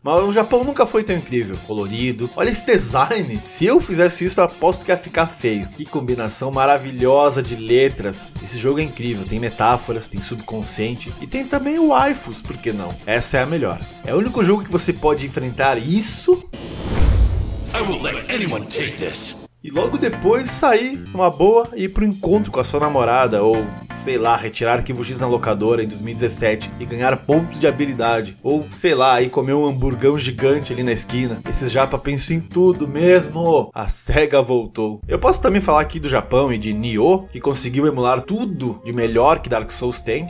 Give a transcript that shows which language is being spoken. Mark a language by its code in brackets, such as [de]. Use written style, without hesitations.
[pt] Mas o Japão nunca foi tão incrível. Colorido. Olha esse design. Se eu fizesse isso, eu aposto que ia ficar feio. Que combinação maravilhosa de letras. Esse jogo é incrível. Tem metáforas, tem subconsciente. E tem também o waifus, por que não? Essa é a melhor. É o único jogo que você pode enfrentar isso. [en] I will let anyone take this. [pt] E logo depois sair numa boa e ir pro encontro com a sua namorada ou, sei lá, retirar arquivo X na locadora em 2017 e ganhar pontos de habilidade. Ou, sei lá, ir comer um hamburgão gigante ali na esquina. Esses japa pensam em tudo mesmo. A SEGA voltou. Eu posso também falar aqui do Japão e de Nioh, que conseguiu emular tudo de melhor que Dark Souls tem.